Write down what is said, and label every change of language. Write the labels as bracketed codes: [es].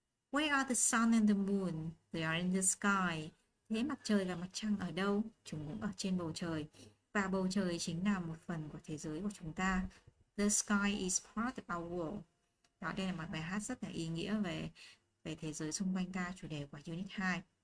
[en] Where are the sun and the moon? They are in the sky. [vi] Thế mặt trời và mặt trăng ở đâu? Chúng cũng ở trên bầu trời. Và bầu trời chính là một phần của thế giới của chúng ta. [en] The sky is part of our world. [vi] Đó, đây là một bài hát rất là ý nghĩa về thế giới xung quanh ta, chủ đề của Unit 2.